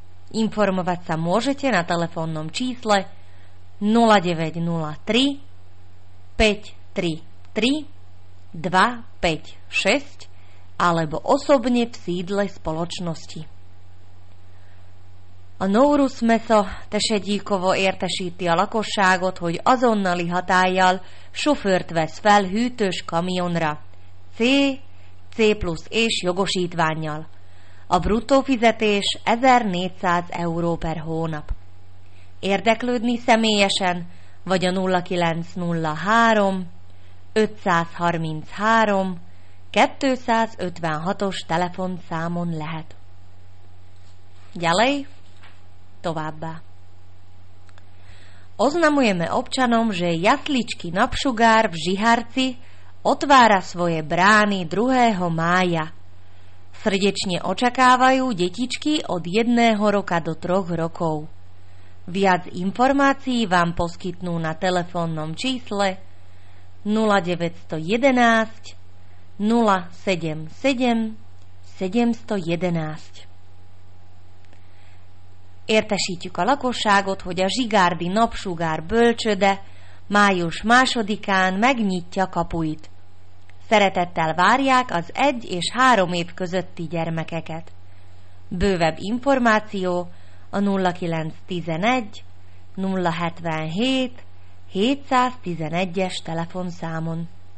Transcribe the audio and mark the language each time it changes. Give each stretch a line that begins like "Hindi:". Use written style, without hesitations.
Slovak: Informovať sa môžete na telefónnom čísle 0903 533 256 alebo osobne v sídle spoločnosti.
Hungarian: A Nowruz Meso Tešedíkovo értesíti a lakosságot, hogy azonnali hatállyal sofőrt vesz fel hűtős kamionra, C+E-s jogosítvánnyal. A bruttó fizetés 1400 € per hónap. Érdeklődni személyesen, vagy a 0903 533 256-os telefonszámon lehet.
Slovak: Ďalej,
Hungarian: továbbá.
Slovak: Oznamujeme občanom, že jasličky Napsugár v Žiharci otvára svoje brány 2. mája. Srdečne očakávajú detičky od 1. roka do 3 rokov. Viac informácií vám poskytnú na telefónnom čísle 0911 077 711.
Hungarian: Értesítjük a lakosságot, hogy a Zsigárdi Napsugár bölcsöde május 2-án megnyitja kapuit. Szeretettel várják az 1 és 3 év közötti gyermekeket. Bővebb információ a 0911 077 711-es telefonszámon.